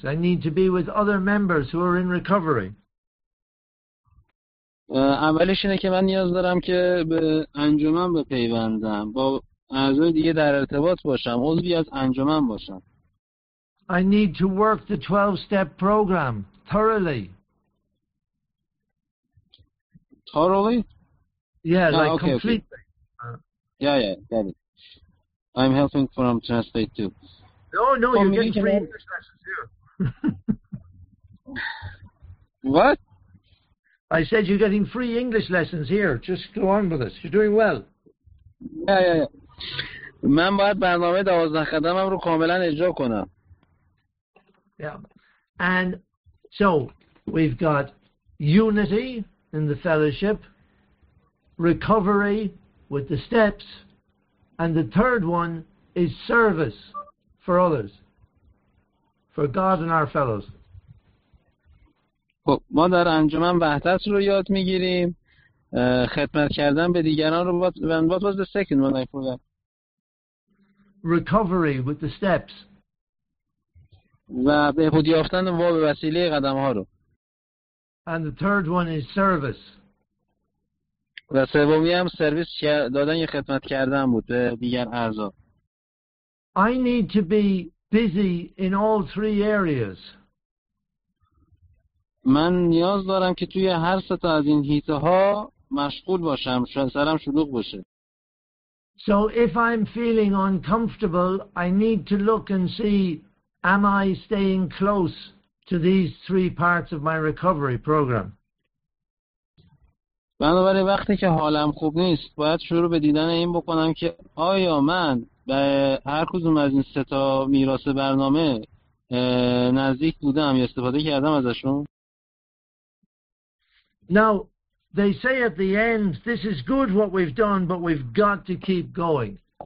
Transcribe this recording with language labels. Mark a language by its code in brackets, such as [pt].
[en] I need to be with other members who are in recovery. [fa] اولش اینه که من نیاز دارم که به انجمن بپیوندم، با اعضای دیگه در ارتباط باشم، عضوی از انجمن باشم. [en] I need to work the 12 step program thoroughly. Thoroughly? Yeah, like completely. Okay. Yeah, got it. I'm helping from translate too. No, you're getting free English lessons here. What? I said you're getting free English lessons here. Just go on with this. You're doing well. Yeah. [fa] من باید برنامه 12 قدمم رو کاملا اجرا کنم. [en] Yeah. And so we've got unity in the fellowship, recovery with the steps, and the third one is service for others, for God and our fellows. [fa] خب ما در انجمن وحدت رو یاد میگیریم، خدمت کردن به دیگران رو. [en] What was the second one I forgot? Recovery with the steps. [fa] و بهبودی یافتن ما به وسیله قدم ها رو. [en] And the third one is service. [fa] و سومی هم سرویس دادن یا خدمت کردن بود به دیگر اعضا. [en] I need to be busy in all 3 areas. [fa] من نیاز دارم که توی هر سه تا از این حیطه ها مشغول باشم، سرم شلوغ باشه. [en] So if I'm feeling uncomfortable, I need to look and see, am I staying close to these 3 parts of my recovery program? [fa] بنابراین وقتی که حالم خوب نیست، باید شروع به دیدن این بکنم که آیا من به هر کدوم از این 3 میراث برنامه نزدیک بودم یا استفاده کردم ازشون؟ [en] Now, they say at the end, this is good what we've done, but we've got to keep going.